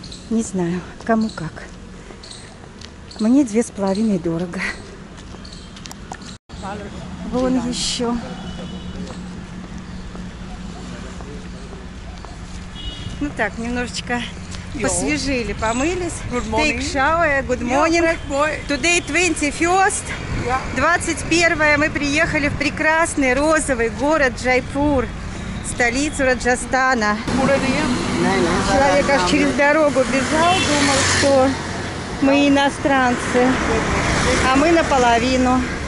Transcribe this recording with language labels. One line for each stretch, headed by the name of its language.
Russian: Не знаю, кому как. Мне 2,5 дорого. Вон еще. Ну так, немножечко посвежили, помылись.
English: Take shower, good morning. Today 21st.
Russian: 21-е мы приехали в прекрасный розовый город Джайпур, столицу Раджастана. Человек аж через дорогу бежал, думал, что мы иностранцы. А мы наполовину.